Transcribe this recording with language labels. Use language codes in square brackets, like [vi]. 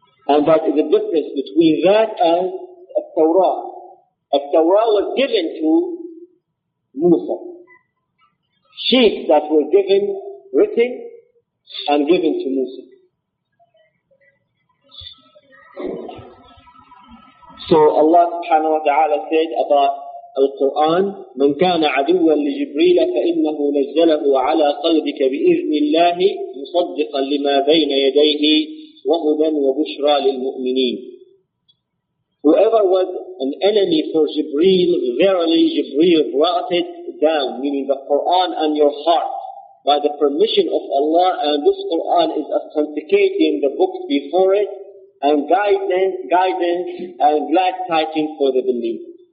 [en] And that is the difference between that and a Torah. A Torah was given to Musa. Sheets that were given, written, and given to Musa. So Allah subhanahu wa ta'ala said about Al-Qur'an, [ar] مَنْ كَانَ عَدُوًا لِجِبْرِيلَ فَإِنَّهُ نَزَّلَهُ عَلَى قَلْبِكَ بِإِذْنِ اللَّهِ مُصَدِّقًا لِمَا بَيْنَ يَدَيْهِ وَهُدًى وَبُشْرَى لِلْمُؤْمِنِينَ. [en] Whoever was an enemy for Jibreel, verily Jibreel brought it down, meaning the Qur'an on your heart, by the permission of Allah, and this Qur'an is authenticating the books before it, and guidance and glad tidings for the believer.